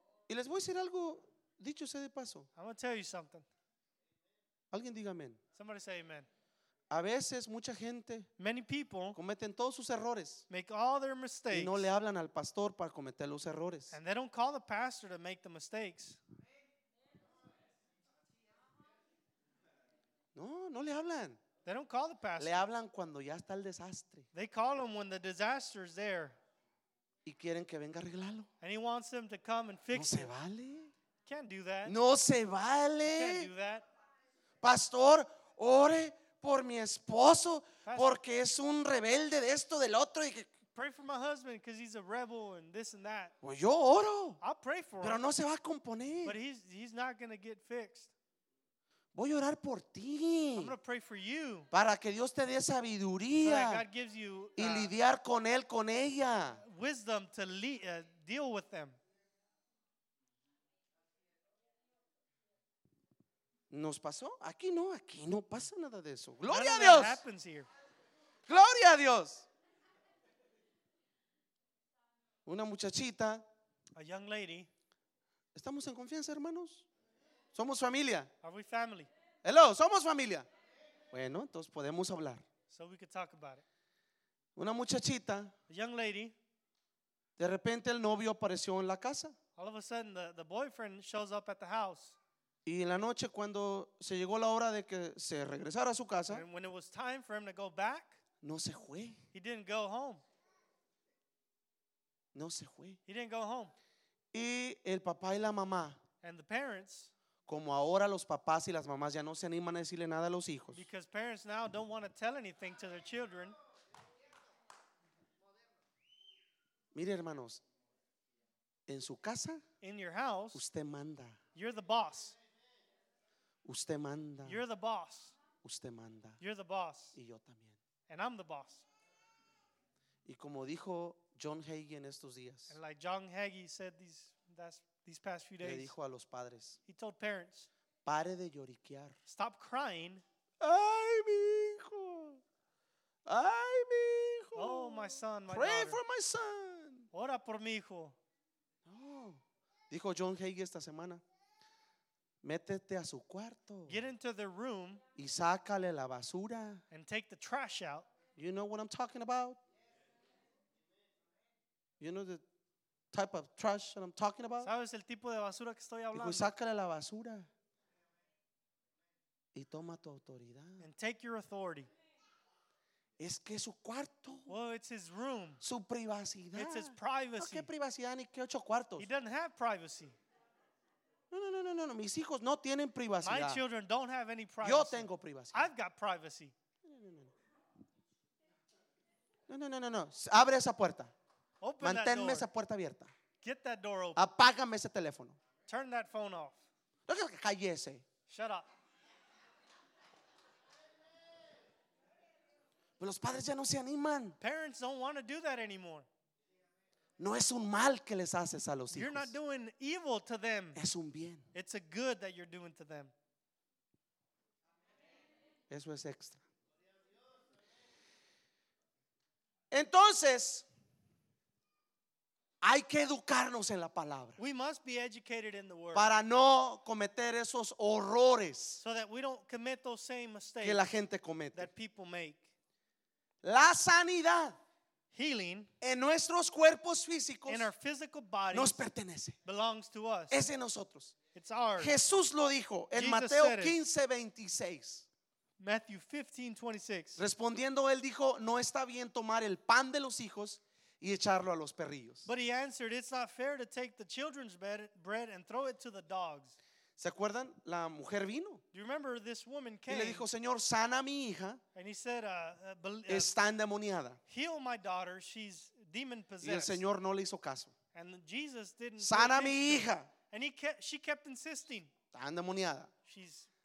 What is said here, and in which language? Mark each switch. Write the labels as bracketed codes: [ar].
[es] Y les voy a decir algo, dicho sea de paso. [en] I'm going to tell you something. [es] Alguien diga amén. [en] Somebody say amen. [es] A veces mucha gente [en] many people [es] cometen todos sus errores [en] make all their mistakes, [es] y no le hablan al pastor para cometer los errores. [en] And they don't call the pastor to make the mistakes. [es] No, no le hablan. [en] They don't call the pastor. [es] Le hablan cuando ya está el desastre. [en] They call him when the disaster is there. [es] Y quieren que venga a arreglarlo. [en] And he wants them to come and fix it. [es] No se [en] it. [es] Vale. [en] Can't do that. [es] No se vale. [en] Can't do that. [es] Pastor, ore por mi esposo, porque es un rebelde de esto, del otro. [en] Pray for my husband because he's a rebel and this and that. [es] Pues yo oro. [en] I'll pray for [es] pero [en] him. [es] No se va a componer. [en] But he's not going to get fixed. [es] Voy a orar por ti. [en] I'm going to pray for you. [es] Para que Dios te dé sabiduría. [en] So that God gives you, [es] y lidiar con él, con ella. [en] Wisdom to deal with them. [es] ¿Nos pasó? Aquí no pasa nada de eso. ¡Gloria [en] None [es] a Dios! [en] Happens here. [es] ¡Gloria a Dios! Una muchachita. [en] A young lady. [es] ¿Estamos en confianza, hermanos? ¿Somos familia? [en] Are we family? [es] Hello, ¿somos familia? Bueno, entonces podemos hablar. [en] So we could talk about it. [es] Una muchachita. [en] A young lady. [es] De repente el novio apareció en la casa. [en] All of a sudden the boyfriend shows up at the house. [es] Y en la noche cuando se llegó la hora de que se regresara a su casa, [en] and when it was time for him to go back, [es] no se fue. [en] He didn't go home. [es] No se fue. [en] He didn't go home. [es] Y el papá y la mamá, [en] and the parents, [es] como ahora los papás y las mamás ya no se animan a decirle nada a los hijos, [en] because parents now don't want to tell anything to their children. [es] Mire, hermanos, en su casa, [en] in your house, [es] usted manda. [en] You're the boss. [es] Usted manda. [en] You're the boss. [es] Usted manda. [en] You're the boss. [es] Y yo también. [en] And I'm the boss. [es] Y como dijo John Hagee en estos días. [en] And like John Hagee said these past few days. [es] Le dijo a los padres. [en] He told parents. [es] Pare de lloriquear. [en] Stop crying. [es] Ay, mi hijo. Ay, mi hijo. [en] Oh, my son, my pray daughter. For my son. [es] Ora por mi hijo. No. Dijo John Hagee esta semana. Métete a su cuarto. [en] Get into the room. [es] Y sácale la basura. [en] And take the trash out. You know what I'm talking about? You know the type of trash that I'm talking about? [es] ¿Sabes el tipo de basura que estoy hablando? Y sácale la basura. Y toma tu autoridad. [en] And take your authority. [es] Es que su cuarto. [en] Well, it's his room. [es] Su privacidad. [en] It's his privacy. [es] ¿No, qué privacidad ni qué ocho cuartos? [en] He doesn't have privacy. [es] No, mis hijos no tienen privacidad. [en] My children don't have any privacy. [es] Yo tengo privacidad. [en] I've got privacy. [es] No. Abre esa puerta. [en] Open [es] manténme [en] that door. [es] Esa puerta abierta. [en] Get that door open. [es] Apágame ese teléfono. [en] Turn that phone off. [es] No quiero que cállese. [en] Shut up. [es] Pero los padres ya no se animan. [en] Parents don't want to do that anymore. [es] No es un mal que les haces a los hijos. [en] You're not doing evil to them. [es] Es un bien. [en] It's a good that you're doing to them. [es] Eso es extra. Entonces, hay que educarnos en la palabra. [en] We must be educated in the word. [es] Para no cometer esos horrores. [en] So that we don't commit those same mistakes. [es] Que la gente comete. [en] That people make. [es] La sanidad. [en] Healing. [es] En nuestros cuerpos físicos. [en] In our physical bodies. [es] Nos pertenece. [en] Belongs to us. [es] Es de nosotros. [en] It's ours. [es] Jesús lo dijo en Mateo 15:26. [en] Matthew 15:26. [es] Respondiendo él dijo, no está bien tomar el pan de los hijos y echarlo a los perrillos. [en] But he answered, it's not fair to take the children's bread and throw it to the dogs. [es] ¿Se acuerdan? La mujer vino. [en] Do you remember this woman came? [es] Y le dijo, Señor, sana a mi hija. [en] And he said, [es] está endemoniada. [en] Heal my daughter, she's demon possessed. [es] Y el Señor no le hizo caso. [en] And Jesus didn't. [es] Sana a mi hija. [en] And she kept insisting. [es] Está endemoniada. [en] She's